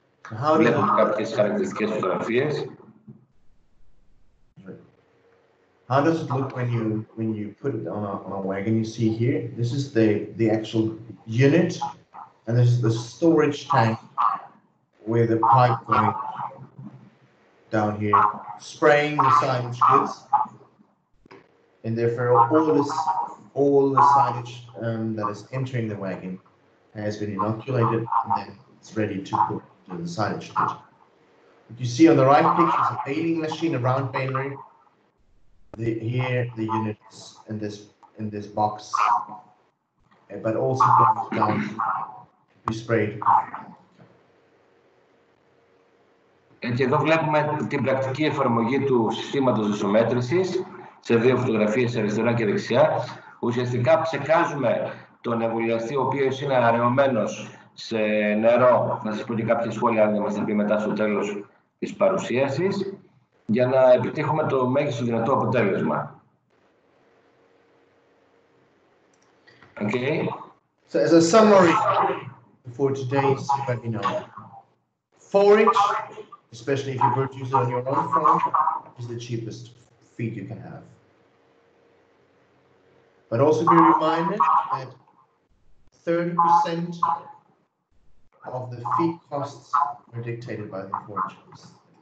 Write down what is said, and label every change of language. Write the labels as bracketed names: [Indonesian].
[Greek] Βλέπουμε κάποιες χαρακτηριστικές φωτογραφίες. [English] How does it look when you put it on a wagon? You see here, this is the actual unit, and this is the storage tank with a pipe going down here, spraying the silage goods. And therefore, all the silage that is entering the wagon has been inoculated, and then it's ready to put to the silage good. What you see on the right picture is a baling machine, a round baling. The units in this box, but also goes down to be sprayed. [Greek] Και εδώ βλέπουμε την πρακτική εφαρμογή του συστήματος δοσομέτρησης σε δύο φωτογραφίες, αριστερά και δεξιά. Ουσιαστικά ψεκάζουμε τον εμβολιαστή, ο οποίος είναι αραιωμένος σε νερό. Θα σας πω και κάποια σχόλια, αν δεν μας τα πει μετά στο τέλος της παρουσίασης, για να επιτύχουμε το μέγιστο δυνατό αποτέλεσμα. [English] Okay. So as a summary for today's webinar, forage, especially if you produce it on your own farm, is the cheapest feed you can have. But also be reminded that 30% of the feed costs are dictated by the forage cost.